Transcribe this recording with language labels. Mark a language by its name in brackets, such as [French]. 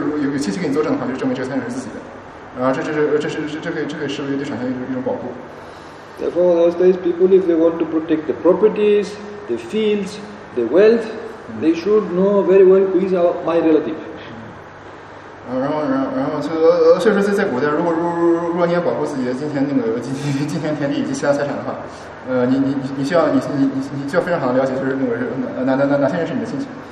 [Chinese] 他说那个亲戚关系的这种亲戚关系的，比方说那个时候古代人对政府的那个私有财产保护不是很强，所以说如果说你那个亲戚可以作为你对这个你对自己财产中是那个财产所有权一种见证，然后这样的话就是有亲戚给你作证的话，就证明这个财产是自己的。然后这可以视为对产权一种保护。 [English] Therefore, those days, people, if they want to protect the properties, the fields, the wealth, they should know very well who is my relative. [Chinese] 然后，所以说，在古代，如果你要保护自己的金钱、那个金田、田地以及其他财产的话，你需要非常好的了解，就是那个哪些人是你的亲戚。